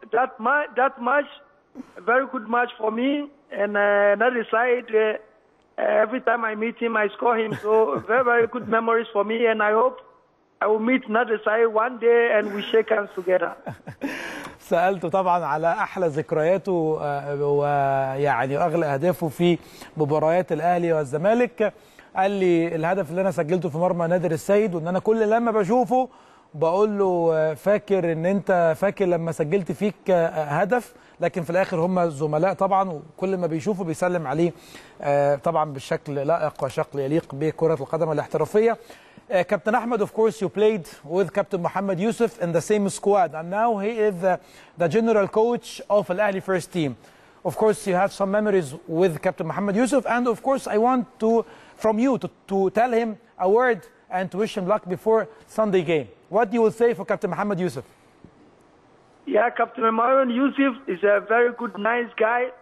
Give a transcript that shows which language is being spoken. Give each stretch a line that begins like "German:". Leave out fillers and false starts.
English: That match, very good match for me. And not inside, every time I meet him, I score him. So very, very good memories for me. And I hope I will meet Nader Said one day and we shake hands together.
Arabic: سألته طبعا على أحلى ذكرياته ويعني أغلى أهدافه في مباريات الأهلي والزمالك. قال لي الهدف اللي انا سجلته في مرمى نادر السيد، وان انا كل لما بشوفه بقول له فاكر ان انت فاكر لما سجلت فيك هدف، لكن في الاخر هم زملاء طبعا، وكل ما بيشوفه بيسلم عليه طبعا بالشكل لائق وشكل يليق بكره القدم الاحترافيه.
English: Captain Ahmed, of course you played with Captain Mohamed Youssef in the same squad, and now he is the general coach of Al Ahly first team. Of course, you have some memories with Captain Mohamed Youssef, and of course, I want to, from you, to tell him a word and to wish him luck before Sunday game. What do you say for Captain Mohamed Youssef? Yeah, Captain Mohamed Youssef is a very good, nice guy.